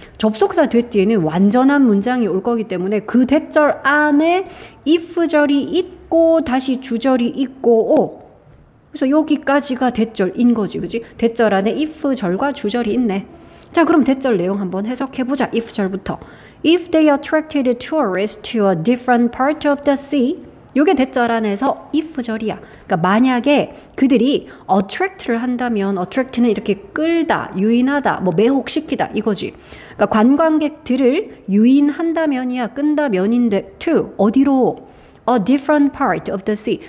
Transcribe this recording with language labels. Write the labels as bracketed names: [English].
[Korean] 접속사 대 뒤에는 완전한 문장이 올 거기 때문에 그 대절 안에 if절이 있고 다시 주절이 있고 그래서 여기까지가 대절인 거지, 그지? 대절 안에 if 절과 주절이 있네. 자, 그럼 대절 내용 한번 해석해보자. if 절부터. [English] If they attracted tourists to a different part of the sea. [Korean] 요게 대절 안에서 if 절이야. 그러니까 만약에 그들이 attract를 한다면 attract는 이렇게 끌다, 유인하다, 뭐 매혹시키다 이거지. 그러니까 관광객들을 유인한다면이야, 끈다면인데 to 어디로? [English] A different part of the sea.